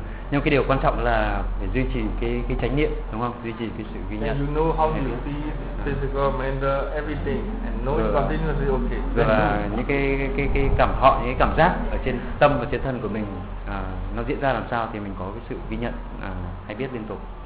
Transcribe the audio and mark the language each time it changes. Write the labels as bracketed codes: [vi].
[vi] Nhưng cái điều quan trọng là phải duy trì cái chánh niệm, đúng không? Duy trì cái sự ghi nhận. [en] And you know how you see physical, mental, everything, and knowing continuously, okay. [vi] Rồi là những cái cảm họ, những cái cảm giác ở trên tâm và trên thân của mình, nó diễn ra làm sao thì mình có cái sự ghi nhận, hay biết liên tục.